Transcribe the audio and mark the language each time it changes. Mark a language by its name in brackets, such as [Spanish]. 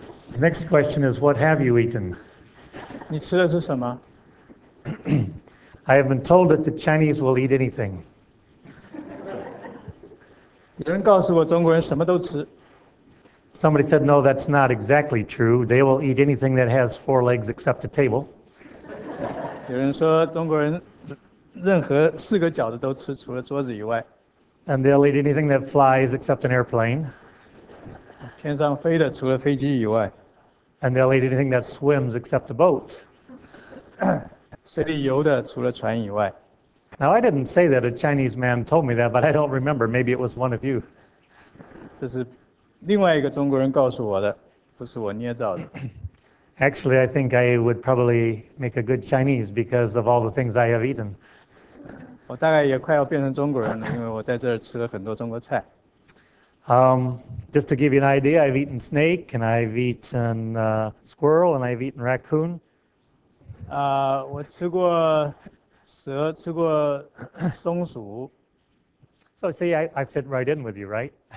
[English] The next question is, what have you eaten? [Chinese] 你吃的是什么？ [English] I have been told that the Chinese will eat anything. [Chinese] 有人告诉我中国人什么都吃。 [English] Somebody said, no, that's not exactly true. They will eat anything that has four legs except a table. [Chinese] 有人说中国人任何四个脚的都吃，除了桌子以外。 [English] And they'll eat anything that flies except an airplane. [Chinese] 天上飞的除了飞机以外。 [English] And they'll eat anything that swims except a boat. [Chinese] 水里游的除了船以外。 [English] Now, I didn't say that a Chinese man told me that, but I don't remember. Maybe it was one of you. [Chinese] 这是另外一个中国人告诉我的，不是我捏造的。 [English] Actually, I think I would probably make a good Chinese because of all the things I have eaten. [Chinese] 我大概也快要变成中国人了，因为我在这儿吃了很多中国菜。 [English] Just to give you an idea, I've eaten snake, and I've eaten squirrel, and I've eaten raccoon. [Chinese] 我吃过蛇，吃过松鼠。 [English] So see, I fit right in with you, right?